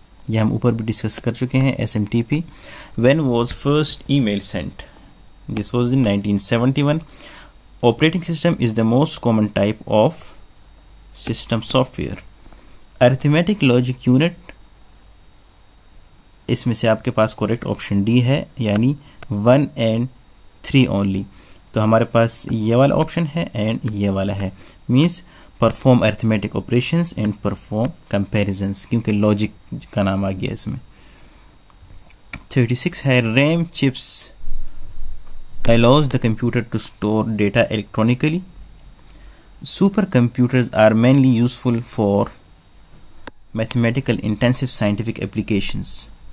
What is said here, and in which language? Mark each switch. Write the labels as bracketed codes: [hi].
[hi] ये हम ऊपर भी डिस्कस कर चुके हैं SMTP. [en] When was first email sent? This was in 1971. Operating system is the most common type of system software. [hi] Arithmetic logic unit, इसमें से आपके पास correct option D है, यानी [en] 1 and 3 only. [hi] तो हमारे पास ये वाला option है and ये वाला है. [en] Means perform arithmetic operations and perform comparisons, [hi] क्योंकि logic का नाम आ गया इसमें. [en] 36 है, RAM chips allows the computer to store data electronically. Supercomputers are mainly useful for mathematical intensive scientific applications.